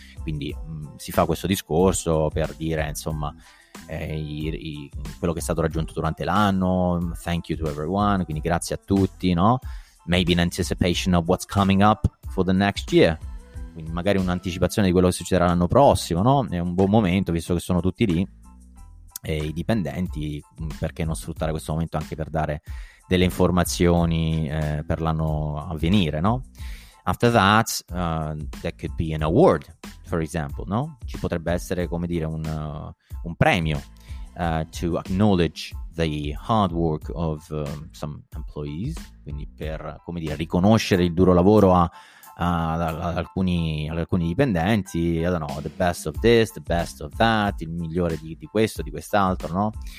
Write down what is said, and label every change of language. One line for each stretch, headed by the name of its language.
Italian: Quindi si fa questo discorso per dire, insomma, quello che è stato raggiunto durante l'anno,
English: thank you to everyone,
Italian: quindi grazie a tutti, no?
English: Maybe in anticipation of what's coming up for the next year.
Italian: Quindi magari un'anticipazione di quello che succederà l'anno prossimo, no? È un buon momento, visto che sono tutti lì, e i dipendenti, perché non sfruttare questo momento anche per dare delle informazioni per l'anno a venire, no?
English: After that, there could be an award, for example, no?
Italian: Ci potrebbe essere, come dire, un premio
English: to acknowledge the hard work of some employees,
Italian: quindi per, come dire, riconoscere il duro lavoro ad alcuni dipendenti.
English: I don't know, the best of this, the best of that,
Italian: il migliore di questo, di quest'altro,
English: no?